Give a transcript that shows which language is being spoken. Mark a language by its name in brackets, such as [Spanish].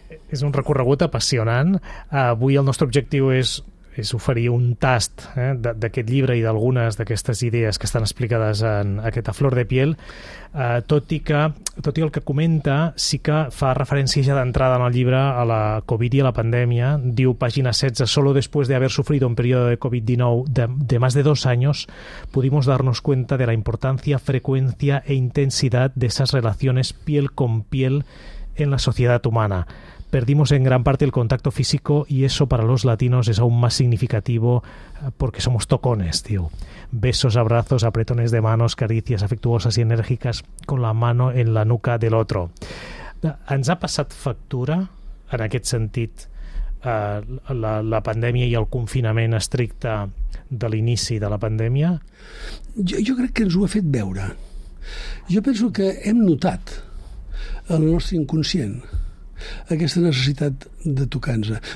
[Catalan] és un recorregut apassionant. Avui el nostre objectiu és oferir un tast d'aquest llibre i d'algunes d'aquestes idees que estan explicades en aquesta Flor de piel, tot i el que comenta, sí que fa referència ja d'entrada en el llibre a la Covid i a la pandèmia. Diu, pàgina 16, [Spanish] solo después de haber sufrido un periodo de COVID-19 de más de 2 años, pudimos darnos cuenta de la importancia, frecuencia e intensidad de esas relaciones piel con piel en la sociedad humana. Perdimos en gran parte el contacto físico y eso para los latinos es aún más significativo porque somos tocones, tío. Besos, abrazos, apretones de manos, caricias afectuosas y enérgicas con la mano en la nuca del otro. [Catalan] ¿Ens ha passat factura en aquest sentit la pandèmia i el confinament estricte de l'inici de la pandèmia? Jo crec que ens ho ha fet veure. Jo penso que hem notat el nostre inconscient aquesta necessitat de tocar-nos.